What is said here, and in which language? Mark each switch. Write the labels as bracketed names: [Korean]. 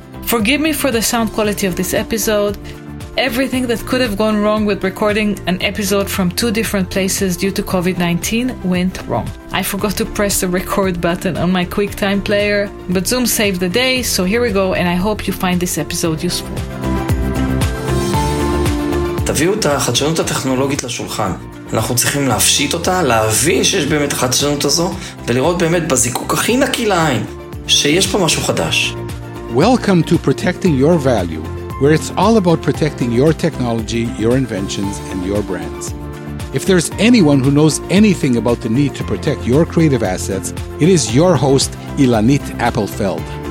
[English] Forgive me for the sound quality of this episode. Everything that could have gone wrong with recording an episode from two different places due to COVID-19 went wrong. I forgot to press the record button on my QuickTime player, but Zoom saved the day, so here we go, and I hope you find this episode useful. [Hebrew] תביאו את החדשנות הטכנולוגית לשולחן. אנחנו צריכים להפשיט אותה, להבין שיש באמת החדשנות הזו, ולראות באמת בזיקוק הכי נקי לעין, שיש פה משהו חדש. [English] Welcome to Protecting Your Value, where it's all about protecting your technology, your inventions, and your brands. If there's anyone who knows anything about the need to protect your creative assets, it is your host, Ilanit Appelfeld.